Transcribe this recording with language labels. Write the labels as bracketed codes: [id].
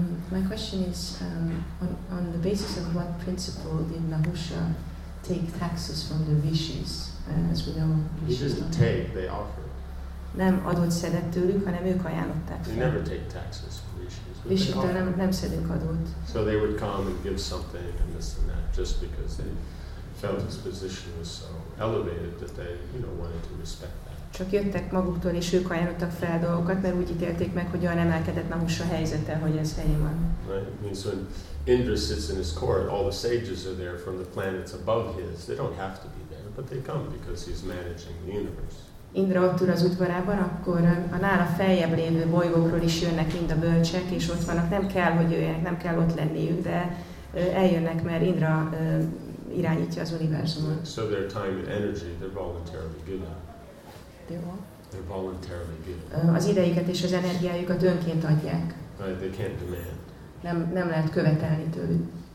[en] My question is, on the basis of what principle did Nahusha take taxes from the rishis, as we know? Rishis didn't take, they offered. [hu] Nem adót szedett tőlük, hanem ők ajánlották fel. [en] They never take taxes from rishis. [hu] Rishitől nem szedünk adót. [en] So they would come and give something and this and that, just because they felt his position was so elevated that they, you know, wanted to respect that. [hu] Csak jöttek maguktól, és ők ajánlottak fel dolgokat, mert úgy ítélték meg, hogy olyan emelkedett Nahusha helyzete, hogy ez helyén van. [en] Right. I mean, so when Indra sits in his court, all the sages are there from the planets above his. They don't have to be there, but they come because he's managing the universe. [hu] Indra ott ül az udvarában, akkor a nála feljebb lévő bolygókról is jönnek mind a bölcsek, és ott vannak. Nem kell, hogy jöjjenek, nem kell ott lenniük, de eljönnek, mert Indra irányítja az univerzumot. [en] So their time and energy, they're voluntarily given. They're voluntarily given. [hu] Az idejüket és az energiájukat önként adják. [en] Right, they can't demand. [hu] Nem lehet követelni tőlük.